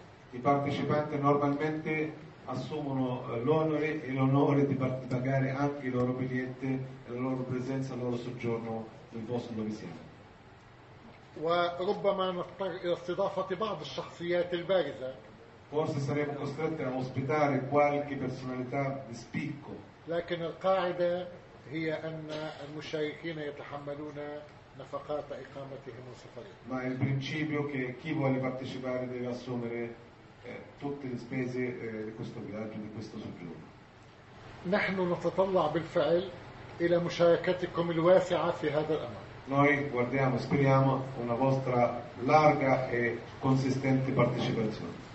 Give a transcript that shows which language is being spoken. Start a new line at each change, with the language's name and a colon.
Italian: I partecipanti normalmente assumono l'onore e l'onore di pagare anche i loro biglietti e la loro presenza, il loro soggiorno nel vostro domicilio.
Arabic: وربما نضطر إلى استضافة بعض الشخصيات البارزة.
Italian: Forse saremo costretti a ospitare qualche personalità di spicco.
Arabic: لكن القاعدة هي أن المشاركين يتحملون نفقات إقامتهم وسفرهم.
Italian: Ma il principio che chi vuole partecipare deve assumere tutte le spese di questo viaggio, di questo soggiorno.
Arabic: نحن نتطلع بالفعل إلى مشاركتكم الواسعة في هذا الأمر.
Italian: Noi guardiamo, speriamo una vostra larga e consistente partecipazione.